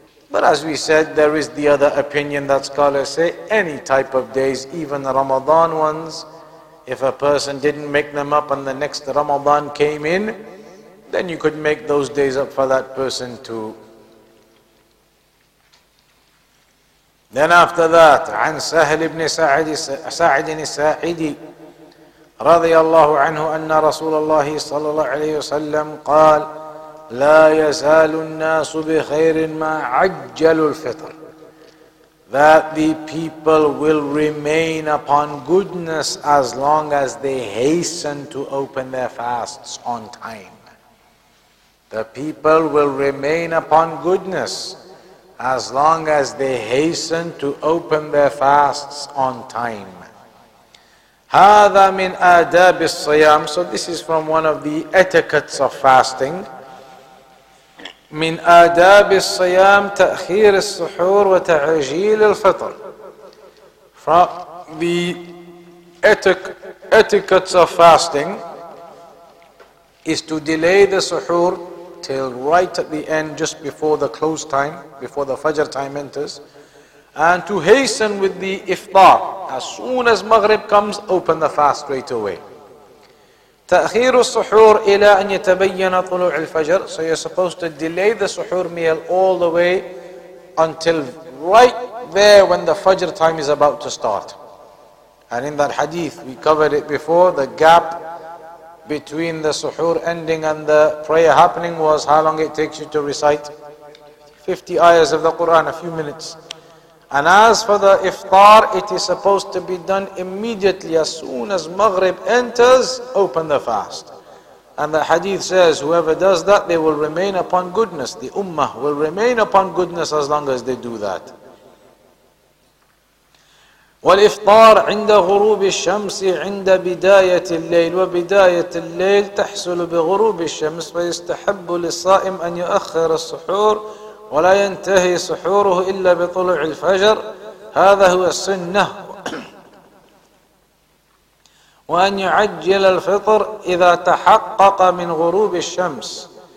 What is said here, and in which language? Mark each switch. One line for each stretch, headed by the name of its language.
English: But as we said, there is the other opinion that scholars say any type of days, even the Ramadan ones, if a person didn't make them up and the next Ramadan came in, then you could make those days up for that person too. Then after that,
Arabic: عن سهل بن سعد الساعدي رضي الله عنه أن رسول الله صلى الله عليه وسلم قال لا يزال الناس بخير ما عجلوا الفطر.
English: That the people will remain upon goodness as long as they hasten to open their fasts on time. The people will remain upon goodness as long as they hasten to open their fasts on time.
Arabic: هذا من آداب الصيام.
English: So this is from one of the etiquettes of fasting.
Arabic: من آداب الصيام تأخير السحور وتعجيل الفطر.
English: The etiquette of fasting is to delay the suhoor till right at the end, just before the close time, before the fajr time enters, and to hasten with the iftar. As soon as maghrib comes, open the fast straight away.
Arabic: تأخير السحور إلى أن يتبين طلوع الفجر.
English: So you're supposed to delay the suhoor meal all the way until right there when the fajr time is about to start. And in that hadith, we covered it before, the gap between the suhoor ending and the prayer happening was how long it takes you to recite 50 ayahs of the Quran, a few minutes. And as for the iftar, it is supposed to be done immediately. As soon as maghrib enters, open the fast. And the hadith says, whoever does that, they will remain upon goodness. The ummah will remain upon goodness as long as they do that.
Arabic: والإفطار عند غروب الشمس عند بداية الليل وبداية الليل تحصل بغروب الشمس ويستحب للصائم أن يؤخر السحور ولا ينتهي سحوره إلا بطلوع الفجر هذا هو السنة وأن يعجل الفطر إذا تحقق من غروب الشمس.